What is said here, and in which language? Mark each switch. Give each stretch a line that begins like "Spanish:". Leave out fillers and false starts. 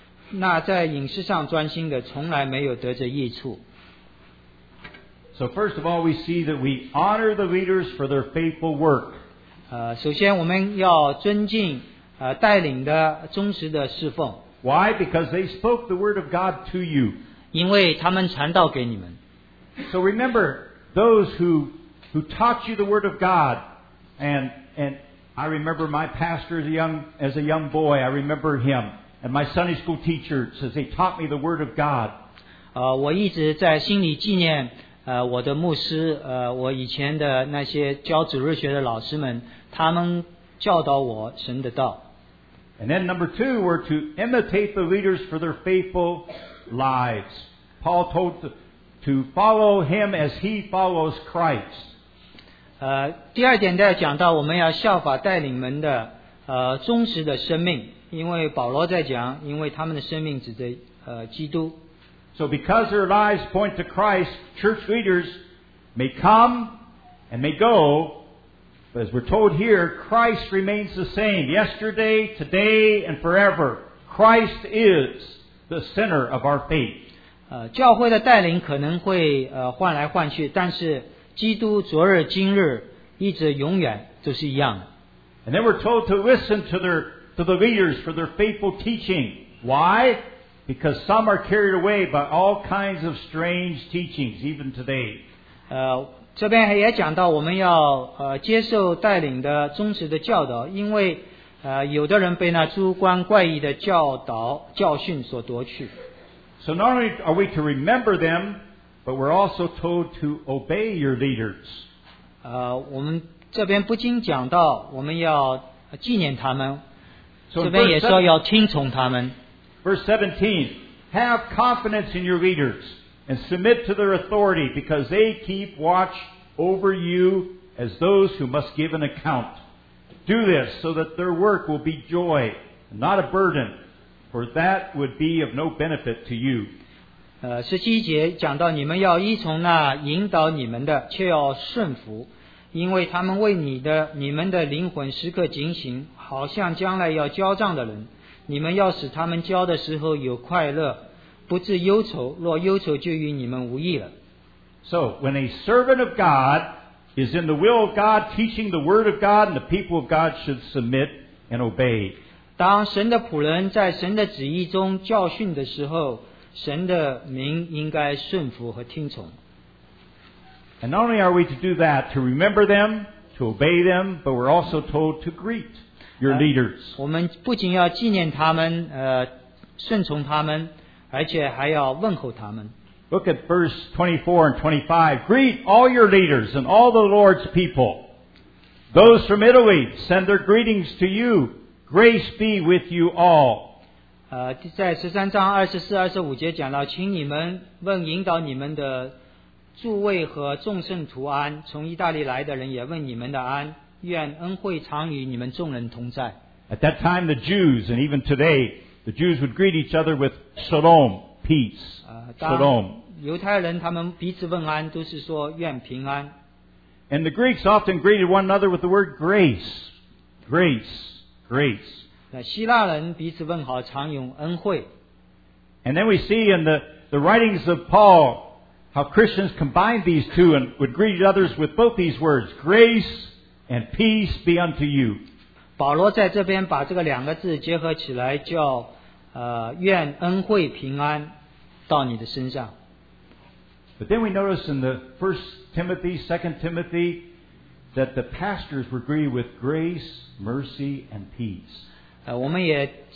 Chinese: 那在饮食上专心的，从来没有得着益处。
English: So first of all, we see that we honor the leaders for their faithful work.
Chinese: 首先我们要尊敬带领的忠实的侍奉。
English: Why? Because they spoke the word of God to you.
Chinese: 因为他们传道给你们。
English: So remember those who taught you the word of God. And I remember my pastor as a young boy, I remember him. And my Sunday school teachers as they taught me the word of God.
Chinese: 我一直在心里纪念我的牧师，我以前的那些教主日学的老师们，他们教导我神的道。
English: And then number two, we're to imitate the leaders for their faithful lives. Paul told to follow him as he follows Christ.
Chinese: 第二点在讲到我们要效法带领们的忠实的生命，因为保罗在讲，因为他们的生命指着基督。
English: So because their lives point to Christ, church leaders may come and may go, but as we're told here, Christ remains the same yesterday, today, and forever. Christ is the center of our faith.
Chinese: 教会的带领可能会换来换去，但是基督昨日、今日、一直、永远都是一样的。
English: And then we're told to listen to the leaders for their faithful teaching. Why? Because some are carried away by all kinds of strange teachings, even today.
Chinese: 这边也讲到我们要接受带领的忠实的教导，因为有的人被那诸般怪异的教导教训所夺去。
English: So not only are we to remember them, but we're also told to obey your leaders.
Chinese: 我们这边不仅讲到我们要纪念他们，这边也说要听从他们。
English: Verse 17, have confidence in your leaders and submit to their authority because they keep watch over you as those who must give an account. Do this so that their work will be joy, not a burden, for that would be of no benefit to you.
Chinese: 17节讲到你们要依从那引导你们的，却要顺服，因为他们为你们的灵魂时刻警醒，好像将来要交账的人。你们要使他们教的时候有快乐，不致忧愁，若忧愁就与你们无益了。
English: So, when a servant of God is in the will of God, teaching the word of God, and the people of God should submit and obey.
Chinese: 当神的仆人在神的旨意中教训的时候，神的民应该顺服和听从。
English: And not only are we to do that, to remember them, to obey them, but we're also told to greet. Your leaders.
Chinese: 我们不仅要纪念他们，顺从他们，而且还要问候他们。
English: Look at verse 24 and 25. Greet all your leaders and all the Lord's people. Those from Italy send their greetings to you. Grace be with you all.
Chinese: 在13章24、25节讲到，请你们问引导你们的诸位和众圣徒安，从意大利来的人也问你们的安。愿恩惠常与你们众人同在。
English: At that time, the Jews, and even today, the Jews would greet each other with Shalom, peace, shalom.
Chinese: 犹太人他们彼此问安, 都是说愿平安。
English: And the Greeks often greeted one another with the word grace, grace, grace.
Chinese: 希腊人彼此问好, 常用恩惠。
English: And then we see in the writings of Paul how Christians combined these two and would greet others with both these words, grace and peace be unto you.
Chinese: 保罗在这边把这个两个字结合起来, 叫愿恩惠平安到你的身上。
English: But then we notice in the 1 Timothy, 2 Timothy, that the pastors were greeted with grace, mercy, and peace.